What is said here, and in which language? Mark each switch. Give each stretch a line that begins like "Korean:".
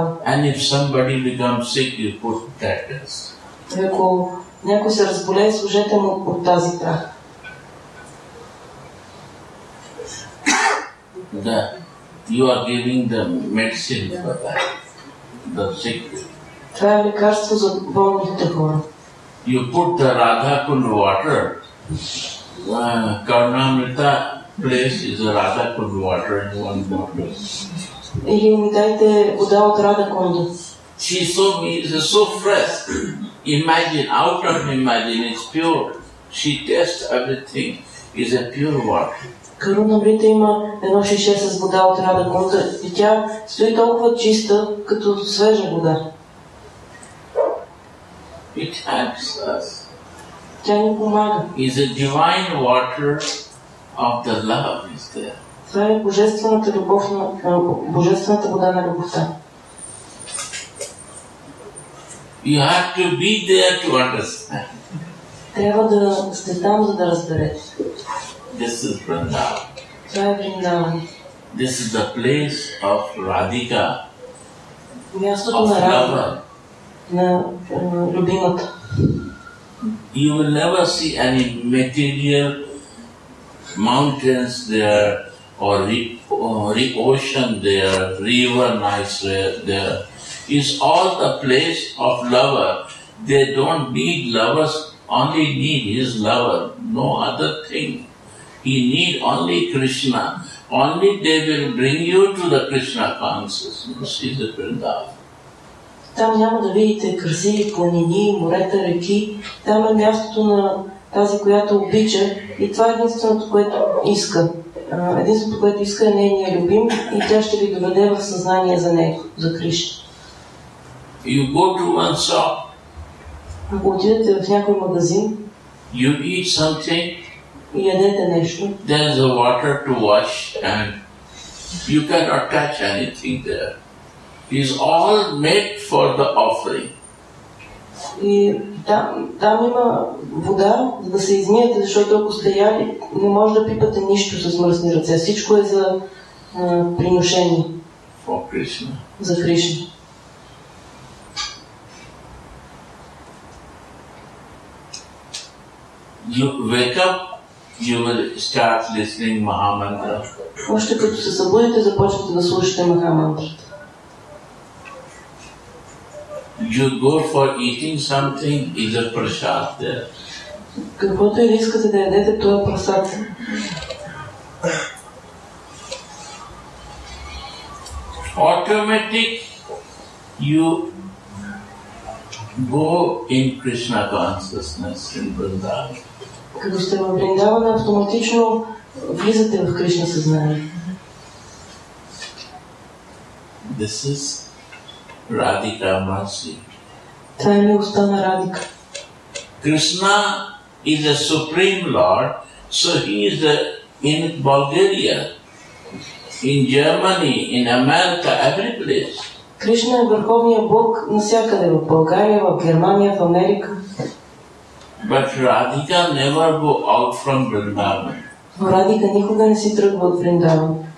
English: and if somebody becomes sick, you put that dust.
Bulgarian: Ако някой се разболее, сложете му от тази прах.
English: Да, you are giving them medicine for that, the sick.
Bulgarian: Това е лекарство за болните хора.
English: You put the Radhakund water, Karnamrita. Place is a Radhakund water in one bottle.
Bulgarian: Или ми дайте вода от Радакунда.
English: She saw me, it's so fresh. Imagine, out of imagine, it's pure. She tests everything, it's a pure water.
Bulgarian: Каруна Брита има едно шише с вода от Радакунда и тя стои толкова чиста, като свежа вода.
English: It helps us.
Bulgarian: Тя ни помага.
English: It's a divine water. Of the love is there.
Bulgarian: Това е божествената любов на божествената вода на любовта.
English: You have to be there to understand.
Bulgarian: Трябва да сте там, за да разберете.
English: This is Vrindavan.
Bulgarian: Това е Vrindavan.
English: This is the place of Radhika.
Bulgarian: Мястото на Радха. На любимата.
English: You will never see any material mountains there, or ocean there, river nice there, is all the place of lover. They don't need lovers, only need his lover, no other thing. He need only Krishna. Only they will bring you to the Krishna consciousness, is the Vrindavan.
Bulgarian: Там няма да видите красиви планини, морета, реки. Там е мястото на тази, която обича. И това е единственото, което иска. Единственото, което иска, е нейния любим и тя ще ви доведе в съзнание за него, за Кришна.
English: You go to one shop.
Bulgarian: Ако отидете в някой магазин,
English: you eat something.
Bulgarian: И ядете нещо.
English: There is a water to wash and you cannot touch anything there. It is all made for the offering.
Bulgarian: И там има вода, за да се измиете, защото ако сте яли, не може да пипате нищо с мръсни ръце. Всичко е за приношение.
English: For Krishna.
Bulgarian: За Кришна.
English: You wake up, you will start listening Mahamantra.
Bulgarian: Още като се събудите, започвате да слушате Махамантрата.
English: You go for eating something, is a prasad there.
Bulgarian: Каквото и искате да ядете, то е прасад.
English: Automatic, you go in Krishna consciousness in Vrindavan.
Bulgarian: Като сте във Вриндаван, автоматично влизате в Кришна съзнание.
English: This is Radhika Masi.
Bulgarian: Това е милостта на Радика.
English: Krishna is the Supreme Lord, so he is in Bulgaria, in Germany, in America, every place.
Bulgarian: Кришна е върховният Бог навсякъде, в България, в Германия, в Америка.
English: But Radhika never go out from Vrindavan.
Bulgarian: Но Радика никога не си тръгва от Вриндаван.